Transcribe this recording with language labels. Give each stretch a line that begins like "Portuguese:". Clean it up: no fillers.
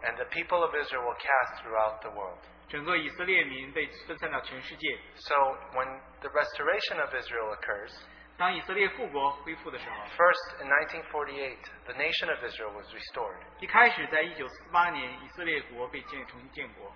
English: And the people of Israel were cast throughout the world.
Chinese: 整个以色列民被分散到全世界。
English: So when the restoration of Israel occurs,
Chinese: 当以色列复国恢复的时候
English: First, in 1948, the nation of Israel was restored.
Chinese: 一开始在1948年以色列国被建重新建国